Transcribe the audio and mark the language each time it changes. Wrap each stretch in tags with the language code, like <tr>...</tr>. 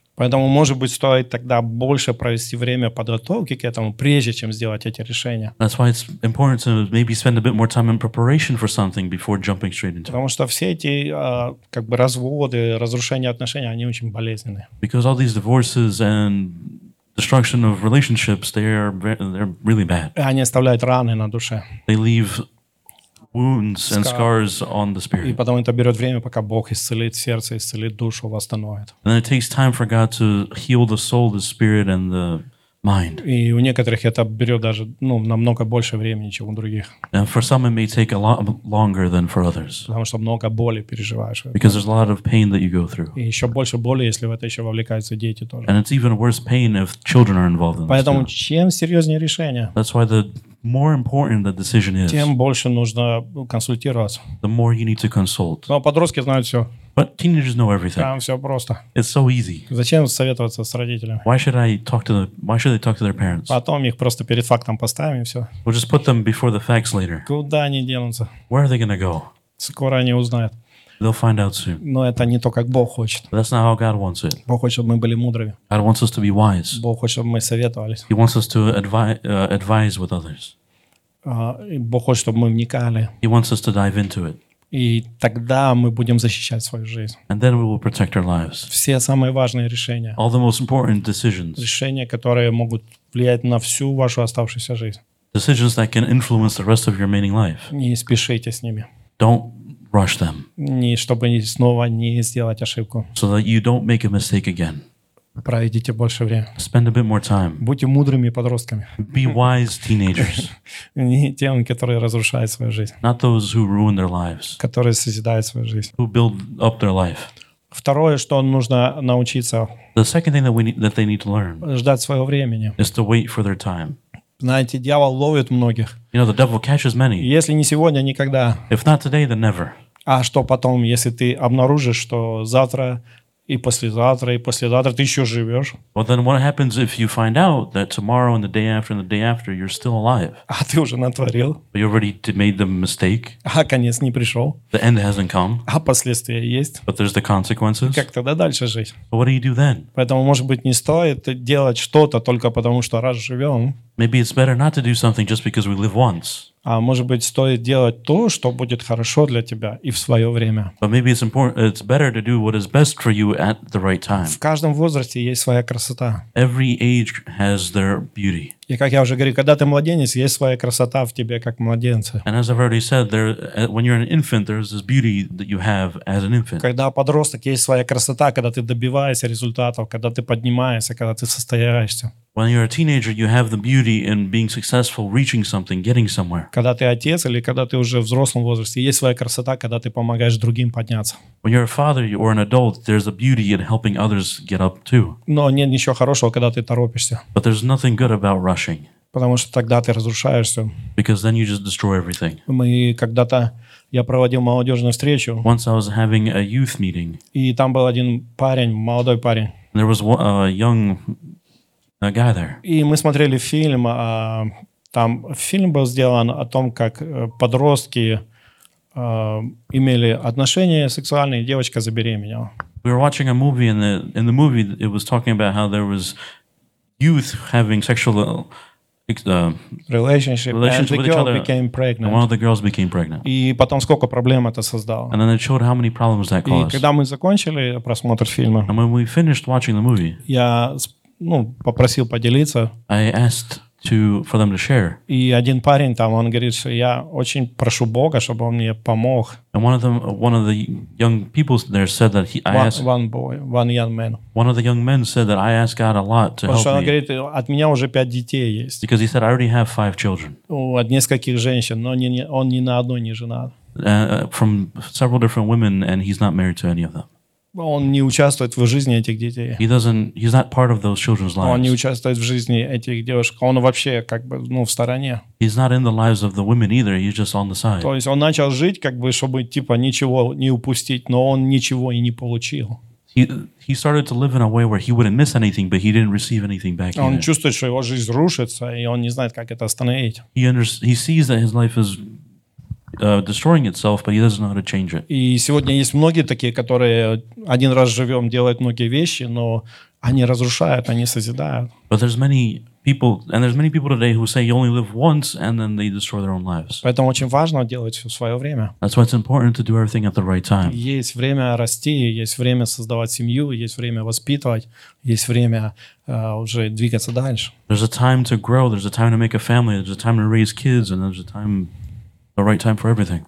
<ru>Поэтому, может быть, стоит тогда больше провести время подготовки к этому, прежде чем сделать эти решения.</ru> <en>That's why it's important to maybe spend a bit more time in preparation for something before jumping straight into it.</en> <ru>Потому что все эти, как бы, разводы, разрушения отношений, они очень болезненны.</ru> <en>Because all these divorces and destruction of relationships, they're really bad.</en> <ru>И они оставляют раны на душе.</ru> <en>They leave wounds and scars on the spirit.</en> <ru>И потом это берет время, пока Бог исцелит сердце, исцелит душу, восстановит.</ru> <en>And then it takes time for God to heal the soul, the spirit, and the mind.</en> <ru>И у некоторых это берет даже, ну, намного больше времени, чем у других.</ru> <en>And for some it may take a lot longer than for others.</en> <ru>Потому что много боли переживаешь.</ru> <en>Because there's a lot of pain that you go through.</en> <ru>И еще больше боли, если в это еще вовлекаются дети тоже.</ru> <en>And it's even worse pain if children are involved in this.</en> <ru>Поэтому чем серьезнее решение,</ru> <en>that's why the more important the decision is,</en> <ru>тем больше нужно консультироваться.</ru> <en>The more you need to consult.</en> <ru>Но подростки знают все.</ru> <en>But teenagers know everything.</en> <ru>Там все просто.</ru> <en>It's so easy.</en> <ru>Зачем советоваться с родителями?</ru> <en>Why should they talk to their parents?</en> <ru>Потом их просто перед фактом поставим и все.</ru> <en>We'll just put them before the facts later.</en> <ru>Куда они денутся?</ru> <en>Where are they gonna go?</en> <ru>Скоро они узнают.</ru> <en>They'll find out soon.</en> <ru>Но это не то, как Бог хочет.</ru> <en>But that's not how God wants it.</en> <ru>Бог хочет, чтобы мы были мудрыми.</ru> <en>God wants us to be wise.</en> <ru>Бог хочет, чтобы мы советовались.</ru> <en>He wants us to advise with others.</en> <ru>Бог хочет, чтобы мы вникали.</ru> <en>He wants us to dive into it.</en> <ru>И тогда мы будем защищать свою жизнь.</ru> <en>And then we will protect our lives.</en> <ru>Все самые важные решения.</ru> <en>All the most important decisions.</en> <ru>Решения, которые могут влиять на всю вашу оставшуюся жизнь.</ru> <en>Decisions that can influence the rest of your remaining life.</en> <ru>Не спешите с ними.</ru> <en>Don't rush them.</en> <ru>Не, чтобы снова не сделать ошибку.</ru> <en>So that you don't make a mistake again.</en> <ru>Проведите больше времени.</ru> <en>Spend a bit more time.</en> <ru>Будьте мудрыми подростками.</ru> <en>Be wise teenagers.</en> <ru>Не тем, которые разрушают свою жизнь.</ru> <en>Not those who ruin their lives.</en> <ru>Которые созидают свою жизнь.</ru> <en>Who build up their life.</en> <ru>Второе, что нужно научиться.</ru> <en>The second thing that they need to learn.</en> <ru>Ждать своего времени.</ru> <en>Is to wait for their time.</en> <ru>Знаете, дьявол ловит многих.</ru> <en>You know, the devil catches many.</en> <ru>Если не сегодня, никогда.</ru> <en>If not today, then never.</en> <ru>А что потом, если ты обнаружишь, что завтра и послезавтра, и послезавтра ты еще живешь.</ru> <en>Well, then what happens if you find out that tomorrow and the day after and the day after you're still alive?</en> <ru>А ты уже натворил.</ru> <en>But you already made the mistake.</en> <ru>А конец не пришел.</ru> <en>The end hasn't come.</en> <ru>А последствия есть.</ru> <en>But there's the consequences.</en> <ru>Как тогда дальше жить?</ru> <en>But what do you do then?</en> <ru>Поэтому, может быть, не стоит делать что-то только потому, что раз живем.</ru> <en>Maybe it's better not to do something just because we live once.</en> <ru>А может быть, стоит делать то, что будет хорошо для тебя и в свое время.</ru> <en>But maybe it's important, it's better to do what is best for you at the right time.</en> <ru>В каждом возрасте есть своя красота.</ru> <en>Every age has their beauty.</en> <ru>И как я уже говорил, когда ты младенец, есть своя красота в тебе, как младенца.</ru> <en>And as I've already said, there, when you're an infant, there's this beauty that you have as an infant.</en> <ru>Когда подросток, есть своя красота, когда ты добиваешься результатов, когда ты поднимаешься, когда ты состояешься.</ru> <en>When you're a teenager, you have the beauty in being successful, reaching something, getting somewhere.</en> <ru>Когда ты отец или когда ты уже в взрослом возрасте, есть своя красота, когда ты помогаешь другим подняться.</ru> <en>When you're a father or an adult, there's a beauty in helping others get up too.</en> <ru>Но нет ничего хорошего, когда ты торопишься.</ru> <en>But there's nothing good about rushing.</en> <ru>Потому что тогда ты разрушаешься.</ru> <en>Because then you just destroy everything.</en> <ru>Мы когда-то, я проводил молодежную встречу.</ru> <en>Once I was having a youth meeting.</en> <ru>И там был один парень, молодой парень.</ru> <en>And there was a young a guy there.</en> <ru>И мы смотрели фильм, там фильм был сделан о том, как подростки имели отношения сексуальные, девочка забеременела.</ru> <en>We were watching a movie, and in the movie it was talking about how there was youth having sexual relationship with each other, became pregnant. And one of the girls became pregnant.</en> <ru>И потом сколько проблем это создало.</ru> <en>And then it showed how many problems that caused.</en> <ru>И когда мы закончили просмотр фильма,</ru> <en>and when we finished watching the movie,</en> <ru>я попросил поделиться.</ru> <en>I asked for them to share.</en> <ru>И один парень там, он говорит, что я очень прошу Бога, чтобы он мне помог.</ru> <en>And one of the young people there said that one of the young men said that I asked God a lot to help me.</en> <ru>Потому что он говорит, от меня уже 5 детей есть.</ru> <en>Because he said I already have 5 children.</en> <ru>От нескольких женщин, но он ни на одной не женат.</ru> <en>From several different women, and he's not married to any of them.</en> <ru>Он не участвует в жизни этих детей.</ru> <en>He's not part of those children's lives.</en> <ru>Он не участвует в жизни этих девушек. Он вообще как бы, в стороне.</ru> <en>He's not in the lives of the women either. He's just on the side.</en> <ru>То есть он начал жить как бы, чтобы типа ничего не упустить, но он ничего и не получил.</ru> <en>He started to live in a way where he wouldn't miss anything, but he didn't receive anything back.</en> <ru>Он чувствует, что его жизнь рушится, и он не знает, как это остановить.</ru> <en>He sees that his life is destroying itself, but he doesn't know how to change it.</en> <ru>И сегодня есть многие такие, которые один раз живем, делают многие вещи, но они разрушают, они созидают.</ru> <en>But there's many people, and there's many people today who say you only live once, and then they destroy their own lives.</en> <ru>Поэтому очень важно делать все в свое время.</ru> <en>That's why it's important to do everything at the right time.</en> <ru>Есть время расти, есть время создавать семью, есть время воспитывать, есть время уже двигаться дальше.</ru> <en>There's a time to grow, there's a time to make a family, there's a time to raise kids, and there's a time the right time for everything.</en>